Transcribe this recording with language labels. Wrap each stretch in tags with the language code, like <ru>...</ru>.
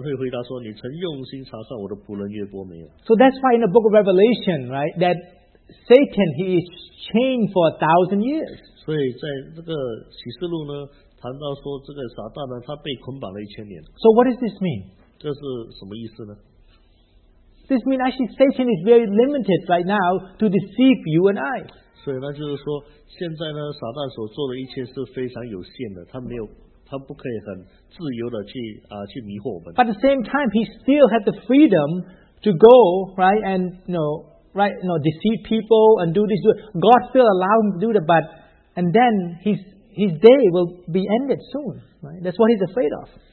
<zh>所以为什么第三节神会回答说，你曾用心查算我的仆人约伯没有？</zh> <en>So that's why in the book of Revelation, right, that Satan, he is chained for 1,000 years.</en> <zh>所以在这个启示录呢，谈到说这个撒旦呢，他被捆绑了1,000年。</zh> <en>So what does this mean?</en> <zh>这是什么意思呢？</zh> <en>This means actually Satan is very limited right now to deceive you and I.</en> <zh>所以那就是说，现在呢，撒旦所做的一切是非常有限的，他没有，他不可以很自由的去迷惑我们。</zh> <en>But at the same time, he still had the freedom to go right and deceive people and do this. God still allowed him to do that, but and then his day will be ended soon. Right? That's what he's afraid of.</en>